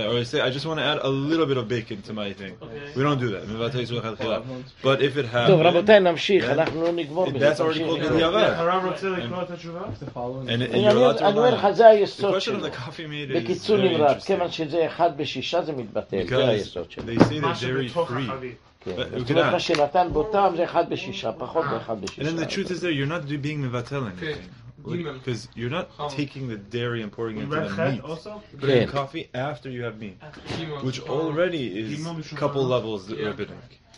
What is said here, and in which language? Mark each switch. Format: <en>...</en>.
<en>Or say, I just want to add a little bit of bacon to my thing. We don't do that.</en> <he>מבטל איסור לכתחילה.</he> <en>But if it happens...</en> <he>טוב, רבותיי, נמשיך. אנחנו לא נגמור בזה.</he> <en>That's already called בדיעבד.</en> <he>הרב רוצה לקרוא את התשובה? אני אומר לך, זה היסוד שלו.</he> <en>The question of the coffee made is</en> <he>בקיצור נמרץ, כיוון שזה אחד בשישה זה מתבטל. זה היסוד שלו.</he> <en>They say that there is three.</en> <he>שנתן בוטם זה אחד בשישה, פחות אחד בשישה.</he> <en>And then the truth is that you're not being mevatel anything. Because you're not taking the dairy and pouring it into the meat. But you have coffee after you have meat. Which already is a couple levels that are rabbinic.</en>